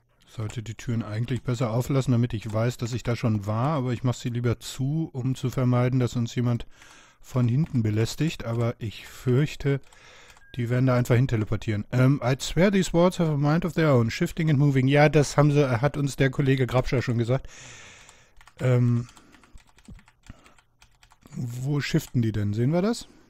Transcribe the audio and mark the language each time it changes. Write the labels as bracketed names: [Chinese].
[German] Sollte die Türen eigentlich besser auflassen, damit ich weiß, dass ich da schon war, aber ich mache sie lieber zu, um zu vermeiden, dass uns jemand von hinten belästigt. Aber ich fürchte, die werden da einfach hin teleportieren. [English] I swear these walls have a mind of their own, shifting and moving. [German] Ja, das haben sie, hat uns der Kollege Grabscher schon gesagt. Wo shiften die denn? Sehen wir das?